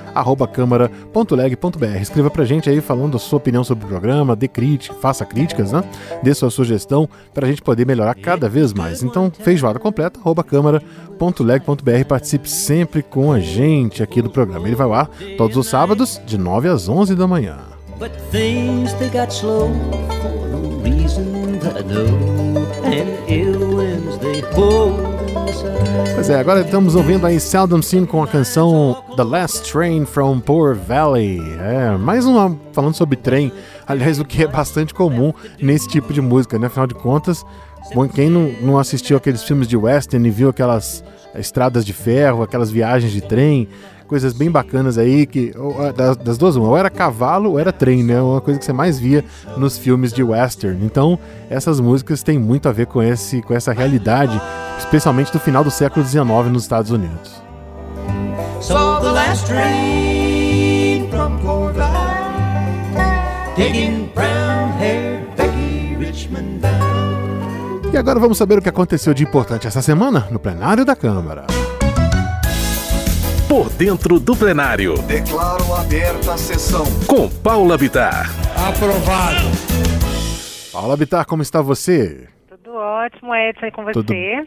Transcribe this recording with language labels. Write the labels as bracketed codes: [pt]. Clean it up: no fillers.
[pt] feijoadacompleta@camara.leg.br. Escreva pra gente aí falando a sua opinião sobre o programa, dê crítica, faça críticas, né? Dê sua sugestão pra gente poder melhorar cada vez mais. Então, feijoadacompleta@camara.leg.br. Participe sempre com a gente aqui do programa. Ele vai ao ar todos os sábados, de 9 às 11 da manhã. [en] But things they got slow for a reason that I know, and ill winds they hold. [pt] Pois é, agora estamos ouvindo aí Seldom Seen com a canção The Last Train from Poor Valley. É, mais uma falando sobre trem. Aliás, o que é bastante comum nesse tipo de música, né? Afinal de contas, bom, quem não assistiu aqueles filmes de western e viu aquelas estradas de ferro, aquelas viagens de trem, coisas bem bacanas aí, que das duas uma, ou era cavalo ou era trem, né? Uma coisa que você mais via nos filmes de western. Então, essas músicas têm muito a ver com essa realidade, especialmente do final do século XIX nos Estados Unidos. [en] So the last train from Corvallis, taking brown haired Becky Richmond down. [pt] E agora vamos saber o que aconteceu de importante essa semana no plenário da Câmara. Por dentro do plenário. Declaro aberta a sessão. Com Paula Bittar. Aprovado. Paula Bittar, como está você? Ótimo, Edson, com você.